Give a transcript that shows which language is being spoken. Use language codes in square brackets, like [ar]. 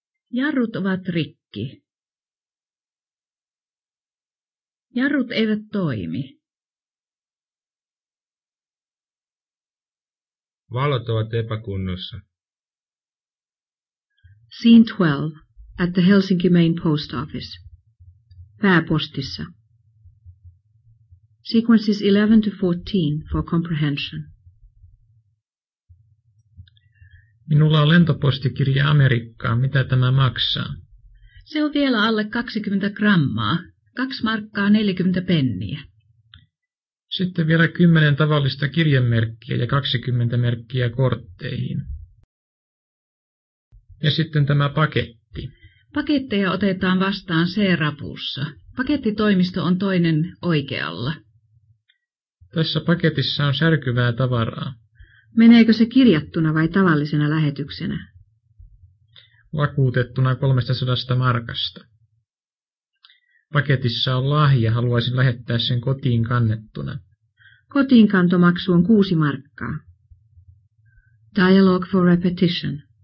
[fi] Jarrut ovat rikki. Jarrut eivät toimi. Valot ovat epäkunnossa. [en] Scene 12 at the Helsinki main post office. [fi] Pääpostissa. [en] Sequences 11 to 14 for comprehension. [fi] Minulla on lentopostikirja Amerikkaan. Mitä tämä maksaa? Se on vielä alle 20 grammaa. 2 markkaa 40 penniä. Sitten vielä 10 tavallista kirjemerkkiä ja 20 merkkiä kortteihin. Ja sitten tämä paketti. Paketteja otetaan vastaan C-rapussa. Pakettitoimisto on toinen oikealla. Tässä paketissa on särkyvää tavaraa. Meneekö se kirjattuna vai tavallisena lähetyksenä? Vakuutettuna 300 markasta. Paketissa on lahja, haluaisin lähettää sen kotiin kannettuna. Kotiinkantomaksu on 6 markkaa. [en] Dialogue for repetition.